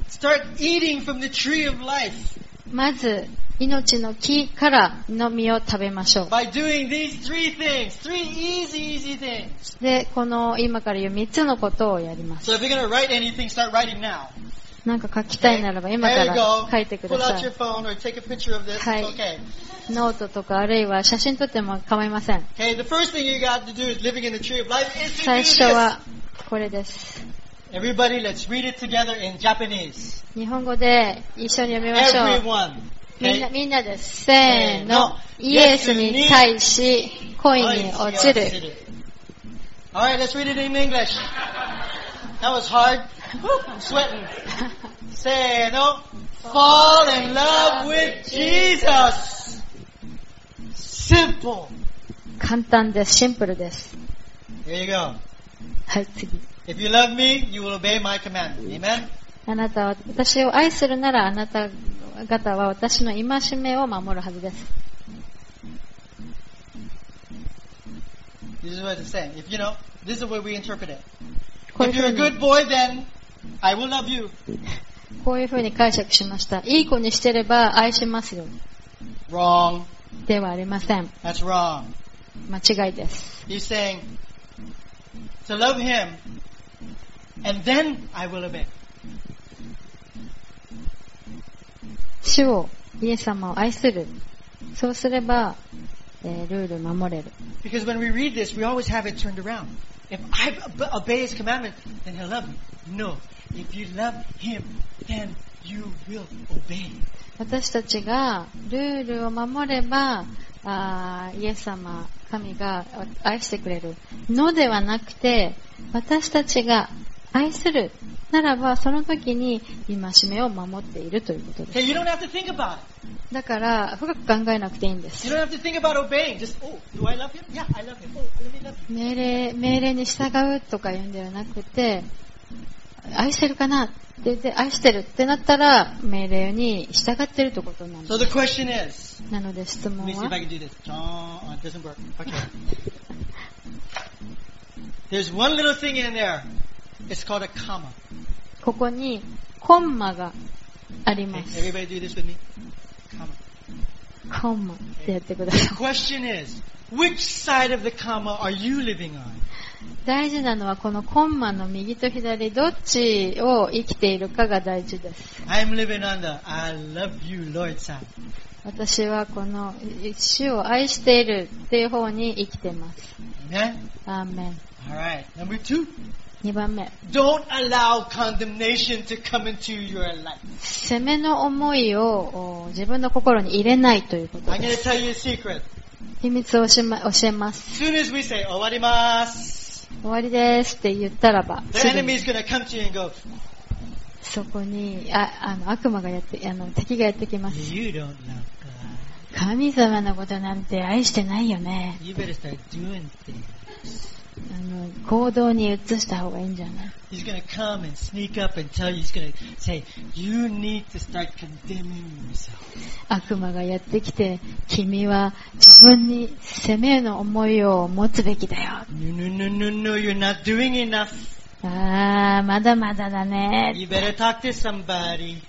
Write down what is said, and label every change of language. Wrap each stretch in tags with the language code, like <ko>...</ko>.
<en>Start eating from the tree of life.</en> <ja>まず、命の木からの実を食べましょう。</ja> <en>By doing these three things, three easy, easy things.</en> <ja>で、この今から言う3つのことをやります。</ja> <en>So if you're gonna write anything, start writing now.</en> <ja>なんか書きたいならば今から書いてください。</ja> <en>Pull out your phone or take a picture of this.</en> <ja>はい。</ja> <en>Okay.</en> <ja>ノートとかあるいは写真撮っても構いません。</ja> <en>Okay, the first thing you got to do is living in the tree of life.</en> <ja>最初はこれです。</ja> <en>Everybody, let's read it together in Japanese.</en> <ja>日本語で一緒に読みましょう。</ja> <en>Everyone.</en> <ja>みんなです。せーの。イエスに対し恋に落ちる。</ja> <en>All right, let's read it in English. That was hard. I'm sweating.</en> <ja>せーの。</ja> <en>Fall in love with Jesus. Simple.</en> <ja>簡単です。シンプルです。</ja> <en>Here you go.</en> <ja>はい、次。</ja> <en>If you love me, you will obey my command. Amen.</en> <ja>あなたは私を愛するならあなた方は私の戒めを守るはずです。</ja> <en>This is what it's saying. If you know, this is what we interpret it. If you're a good boy, then I will love you.</en> <ja>こういうふうに解釈しました。いい子にしてれば愛しますよ。</ja> <en>Wrong.</en> <ja>ではありません。</ja> <en>That's wrong.</en> <ja>間違いです。</ja> <en>He's saying to love him, and then I will obey.</en> <ja>主をイエス様を愛する。そうすれば、ルールを守れる。</ja> <en>Because when we read this, we always have it turned around. If I obey his commandment, then he'll love me. No. If you love him, then you will obey.</en> <ja>私たちがルールを守れば、イエス様、神が愛してくれる。のではなくて、私たちが愛するならばその時に戒めを守っているということです。</ja> <en>Hey, you don't have to think about it.</en> <ja>だから深く考えなくていいんです。</ja> <en>You don't have to think about obeying. Just, oh, do I love him? Yeah, I love him. Oh, let me love him.</en> <ja>命令に従うとか言うんではなくて愛してるかなって言って愛してるってなったら命令に従っているということなんです。</ja> <en>So the question is,</en> <ja>なので質問は</ja> <en>Let me see if I can do this. It doesn't work. Okay. There's one little thing in there. It's called a comma.</en> <ja>ここにコンマがあります。</ja> <en>Okay, everybody do this with me. Comma.</en> <ja>コンマってやってください。</ja> <en>The question is, which side of the comma are you living on?</en> <ja>大事なのはこのコンマの右と左どっちを生きているかが大事です。</ja> <en>I'm living on the I love you, Lord side.</en> <ja>私はこの主を愛しているっていう方に生きています。</ja> <en>Amen. Amen. All right. Number two.</en> <ja>2番目。</ja> <en>Don't allow condemnation to come into your life.</en> <ja>責めの思いを自分の心に入れないということです。</ja> <en>I'm gonna tell you a secret.</en> <ja>秘密を教えます。</ja> <en>As soon as we say,</en> <ja>終わります。終わりですって言ったらば、</ja> <en>The enemy is gonna come to you and go,</en> <ja>そこに悪魔がやって、敵がやってきます。</ja> <en>You don't love God.</en> <ja>神様のことなんて愛してないよね。</ja> <en>You better start doing things.</en> <ja>行動に移した方がいいんじゃない。</ja> <en>He's going to come and sneak up and tell you. He's going to say, you need to start condemning yourself.</en> <ja>悪魔がやってきて、君は自分に責めの思いを持つべきだよ。</ja> <en>No, no, no, no, no, you're not doing enough.</en> <ja>まだまだだね。</ja> <en>You better talk to somebody.</en>